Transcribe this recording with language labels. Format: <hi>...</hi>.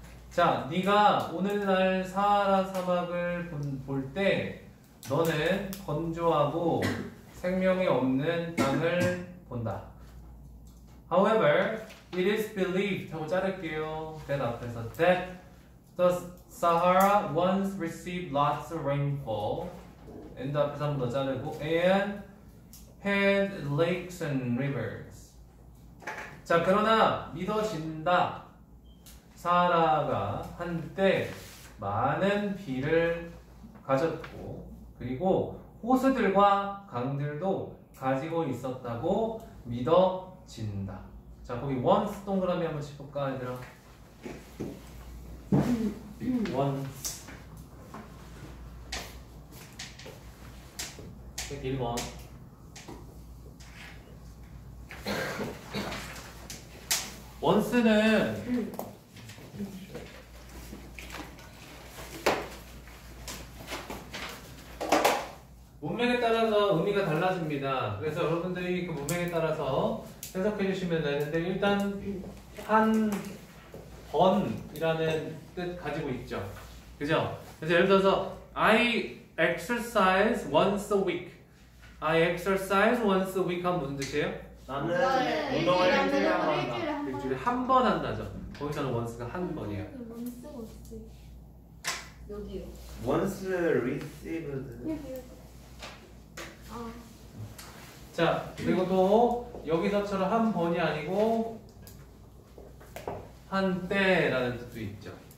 <ko>자, 네가 오늘날 사하라 사막을 볼 때 너는 건조하고 생명이 없는 땅을 본다</ko> <en>However, it is believed</en> <ko>하고 자를게요 that 앞에서</ko> <en>that the Sahara once received lots of rainfall.</en> <ko>앤드 앞에서 한 번 더 자르고</ko> <en>and had lakes and rivers.</en> <ko>자, 그러나 믿어진다. 사하라가 한때 많은 비를 가졌고 그리고 호수들과 강들도 가지고 있었다고 믿어진다. 자, 거기 once 동그라미 한번 치볼까 얘들아? once 책 1번 once는 문맥에 따라서 의미가 달라집니다. 그래서 여러분들이 그 문맥에 따라서 해석해 주시면 되는데 일단 한 번이라는 뜻 가지고 있죠. 그죠?</ko> <en>그래서 예를 들어서 I exercise once a week. I exercise once a week</en> <ko>하면 무슨 뜻이에요? 나는 운동을 일주일에 한 번 한다. 일주일에 한 번 한다죠. 거기서는 once가 한 번이에요.</ko> <en>once</en> <ko>여기요.</ko> <en>once received</en> <ko>아. 자, 그리고 또 여기서처럼 한 번이 아니고 한때라는 뜻도 있죠.</ko>